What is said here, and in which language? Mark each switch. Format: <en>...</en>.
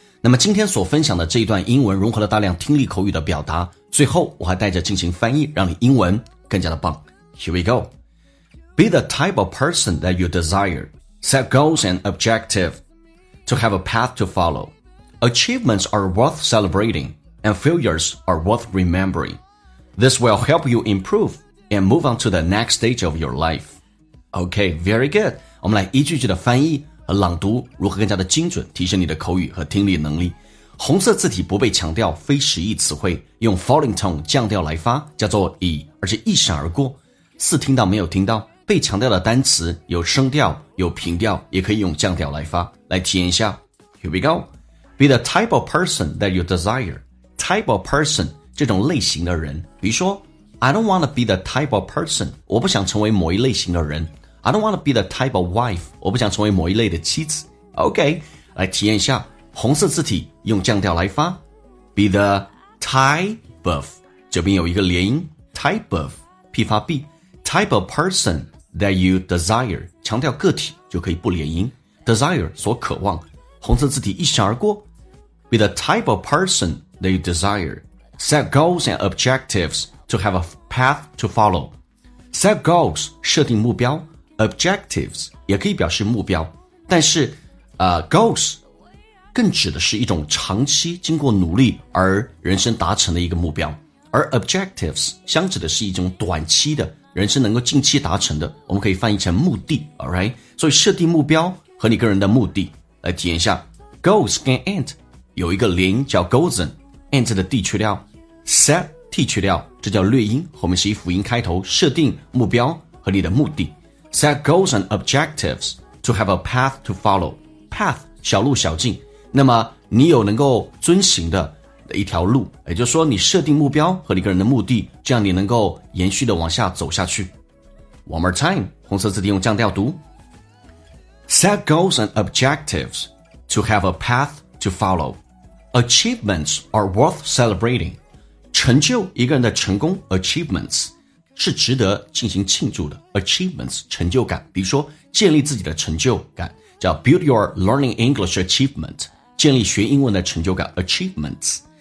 <zh>那么今天所分享的这一段英文融合了大量听力口语的表达，最后我还带着进行翻译，让你英文更加的棒。</zh> <en>Here we go。 Be the type of person that you desire. Set goals and objective to have a path to followAchievements are worth celebrating, and failures are worth remembering. This will help you improve and move on to the next stage of your life. Okay, very good.</en> <zh>我们来一句句的翻译和朗读，如何更加的精准提升你的口语和听力能力。红色字体不被强调，非实意词汇，用 falling tone 降调来发，叫做以，而且一闪而过，似听到没有听到。被强调的单词有升调，有平调，也可以用降调来发。来体验一下。 Here we go.</zh> <en>Be the type of person that you desire.</en> <zh>Type of person, 这种类型的人。比如说 I don't want to be the type of person, 我不想成为某一类型的人。 I don't want to be the type of wife, 我不想成为某一类的妻子。 OK, 来体验一下红色字体用降调来发。</zh> <en>Be the type of, 这边有一个连音 type of, 屁发 B, type of person that you desire, 强调个体就可以不连音。 Desire, 所渴望。红色字体一闪而过 Be the type of person that you desire. Set goals and objectives to have a path to follow.</en> <zh>Set goals, 设定目标 Objectives, 也可以表示目标。但是、goals, 更指的是一种长期经过努力而人生达成的一个目标。而 objectives, 相指的是一种短期的人生能够近期达成的，我们可以翻译成目的 alright? 所以设定目标和你个人的目的。来体验一下 Goals and end 有一个连音叫 goals and end 的 D 去掉 Set T 去掉，这叫略音，后面是以辅音开头，设定目标和你的目的。</zh> <en>Set goals and objectives to have a path to follow.</en> <zh>Path 小路小径，那么你有能够遵循的一条路，也就是说你设定目标和你个人的目的，这样你能够延续的往下走下去。 One more time，红色字体用降调读。</zh> <en>Set goals and objectives to have a path to follow. Achievements are worth celebrating.</en> <zh>成就一个人的成功 achievements 是值得进行庆祝的 achievements 成就感，比如说建立自己的成就感叫 build your learning English achievement，建立学英文的成就感 achievements。</zh>